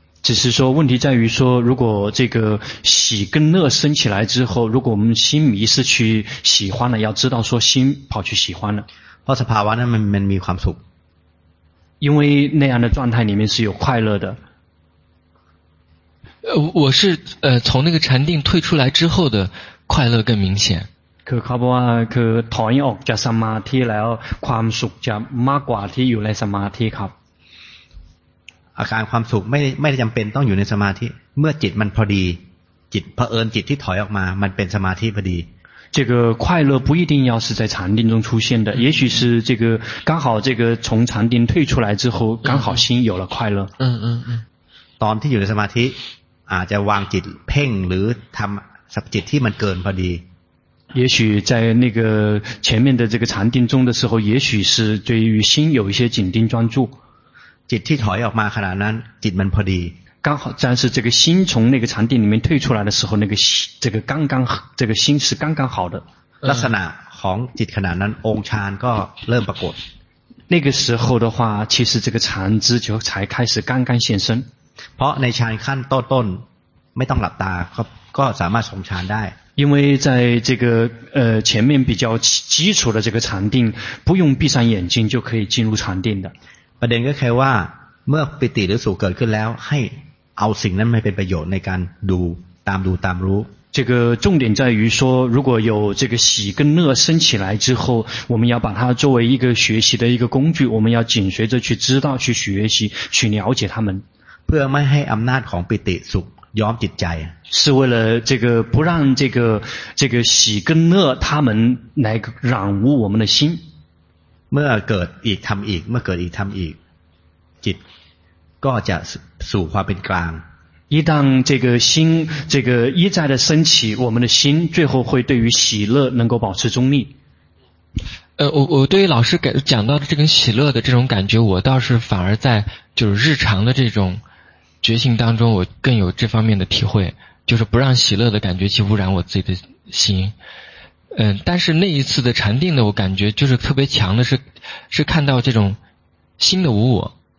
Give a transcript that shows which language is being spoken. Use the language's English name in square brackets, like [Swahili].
[Chinese] 只是说问题在于说如果这个喜跟乐升起来之后如果我们心迷失去喜欢了要知道说心跑去喜欢了 [Thai] เพราะสภาวะนั้นมันมีความสุข [Chinese] 因为那样的状态里面是有快乐的。我是从那个禅定退出来之后的快乐更明显。可靠不啊？可讨厌哦，加什么提来哦？ [Thai] ความสุขจะมากกว่าที่อยู่ในสมาธิครับ。 อาการความสุขไม่จำเป็นต้องอยู่ในสมาธิเมื่อจิตมันพอดีจิตเผอิญจิตที่ถอยออกมามันเป็นสมาธิพอดี。 [Chinese] 这个快乐不一定要是在禅定中出现的，也许是这个刚好这个从禅定退出来之后，刚好心有了快乐。嗯嗯嗯。 [Thai] ต อนที่อยู่ในสมาธิอาจจะวางจิตเพ่งหรือทำสับจิตที่มันเกินพอดี [Chinese] 也许在那个前面的这个禅定中的时候也许是对于心有一些紧盯专注 [Thai] จิตที่ถอยออกมาขนาดนั้นจิตมันพอดี [Chinese] 刚好但是这个心从那个禅定里面退出来的时候那个这个刚刚这个心是刚刚好的 [Thai] ลักษณะของจิตขนาดนั้นองค์ฌานก็เริ่มปรากฏ [Chinese] 那个时候的话其实这个禅知就才开始刚刚现身 [Thai] เพราะในฌานขั้นต้นไม่ต้องหลับตาก็สามารถทรงฌานได้ [Chinese] 因为在这个前面比较基础的这个禅定不用闭上眼睛就可以进入禅定的 [Thai] ประเด็นก็คือว่าเมื่อปิติหรือสุขเกิดขึ้นแล้วให้เอาสิ่งนั้นมาเป็นประโยชน์ในการดูตามดูตามรู้ [Chinese] 这个重点在于说如果有这个喜跟乐升起来之后我们要把它作为一个学习的一个工具我们要紧随着去知道去学习去了解它们 [Thai] เพื่อไม่ให้อำนาจของปิติสุขย้อมจิตใจ [Chinese] 是为了这个不让这个喜跟乐他们来染污我们的心 [Thai] เมื่อเกิดอีกทำอีกเมื่อเกิดอีกทำอีกจิตก็จะสู่ความเป็นกลาง [Chinese] 一旦这个心这个一再的升起我们的心最后会对于喜乐能够保持中立我对于老师讲到的这个喜乐的这种感觉我倒是反而在就是日常的这种觉醒当中我更有这方面的体会就是不让喜乐的感觉去污染我自己的心但是那一次的禅定的我感觉就是特别强的是看到这种心的无我